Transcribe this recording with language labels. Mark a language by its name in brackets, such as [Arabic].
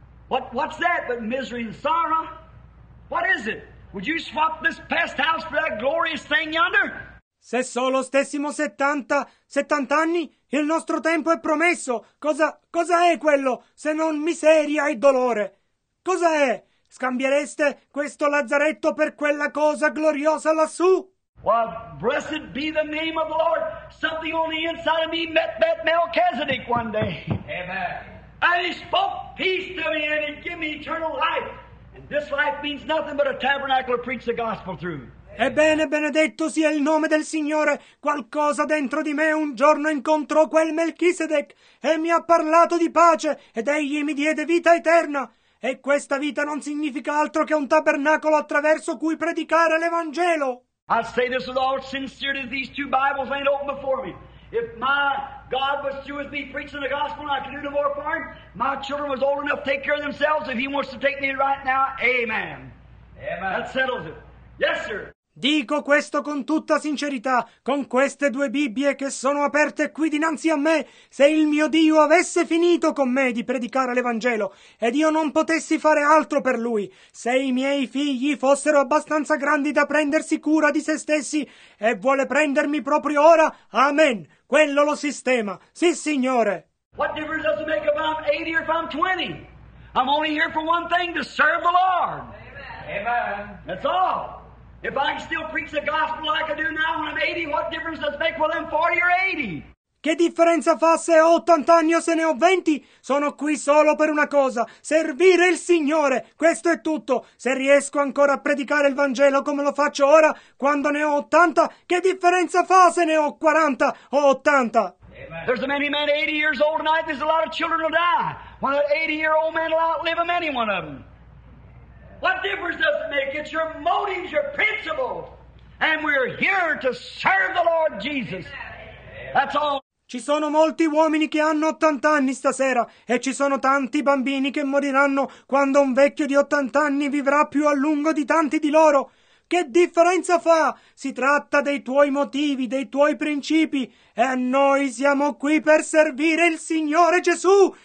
[English] What's that but misery and sorrow? What is it? Would you swap this pest house for that glorious thing yonder? [Italian] Se solo stessimo 70 anni, il nostro tempo è promesso. Cosa è quello se non miseria e dolore? Cosa è? Scambiereste questo lazzaretto per quella cosa gloriosa lassù? [English] Well, blessed be the name of the Lord. Something on the inside of me met that Melchizedek one day. Amen. And he spoke peace to me and he gave me eternal life. And this life means nothing but a tabernacle to preach the gospel through. [Italian] Ebbene, benedetto sia il nome del Signore, qualcosa dentro di me un giorno incontrò quel Melchisedec e mi ha parlato di pace ed egli mi diede vita eterna. E questa vita non significa altro che un tabernacolo attraverso cui predicare l'Evangelo. [English] I say this with all sincerity, these two Bibles ain't open before me. If my God was through with me preaching the gospel and I could do no more for him, my children was old enough to take care of themselves. If he wants to take me right now, amen. Amen. That settles it. Yes, sir. [Italian] Dico questo con tutta sincerità, con queste due Bibbie che sono aperte qui dinanzi a me, se il mio Dio avesse finito con me di predicare l'Evangelo ed io non potessi fare altro per lui, se i miei figli fossero abbastanza grandi da prendersi cura di se stessi e vuole prendermi proprio ora, amen, quello lo sistema, sì signore. [English] What difference does it make if I'm 80 or if I'm 20? I'm only here for one thing, to serve the Lord. Amen. That's all. If I can still preach the gospel like I do now when I'm 80, what difference does it make when I'm 40 or 80? [Italian] Che differenza fa se ho 80 anni o se ne ho 20? Sono qui solo per una cosa, servire il Signore. Questo è tutto. Se riesco ancora a predicare il Vangelo come lo faccio ora, quando ne ho 80, che differenza fa se ne ho 40 o 80? Amen. [English] There's a many men 80 years old tonight, there's a lot of children will die. When an 80-year-old man will outlive them, any one of them. What difference does it make? It's your motives, your principles. And we're here to serve the Lord Jesus. That's all. [Italian] Ci sono molti uomini che hanno 80 anni stasera e ci sono tanti bambini che moriranno quando un vecchio di 80 anni vivrà più a lungo di tanti di loro. Che differenza fa? Si tratta dei tuoi motivi, dei tuoi principi. E noi siamo qui per servire il Signore Gesù.